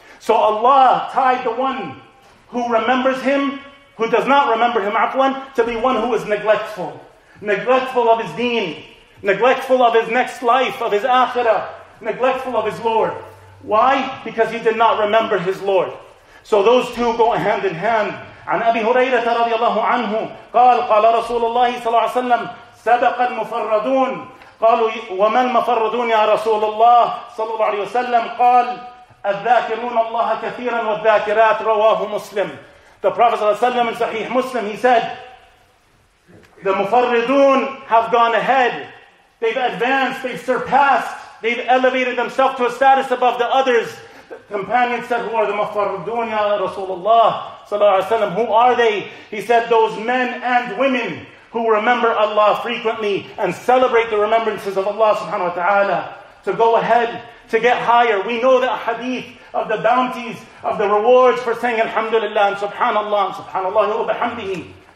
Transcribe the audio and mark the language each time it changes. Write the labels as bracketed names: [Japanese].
[English] So Allah tied the one who remembers Him, who does not remember Him, to be one who is neglectful. Neglectful of his deen. Neglectful of his next life, of his akhirah. Neglectful of his Lord. Why? Because he did not remember his Lord. So those two go hand in hand. [Arabic] عن أبي هريرة رضي الله عنه قال قال رسول الله صلى الله عليه وسلم سبق المفردون قالوا وما المفردون يا رسول الله صلى الله عليه وسلم قال الذاكرون الله كثيرا والذاكرات رواه مسلم. [English] The Prophet [Arabic] صلى الله عليه وسلم [English] in Sahih Muslim, he said, the مفردون have gone ahead. They've advanced, they've surpassed, they've elevated themselves to a status above the others. The companion said, who are the مفردون [Arabic] يا رسول الله صلى الله عليه وسلم? [English] Who are they? He said, those men and women who remember Allah frequently and celebrate the remembrances of Allah subhanahu wa ta'ala. To go ahead, to get higher. We know the hadith of the bounties, of the rewards for saying Alhamdulillah and Subhanallah and Subhanallah wa bihamdihi.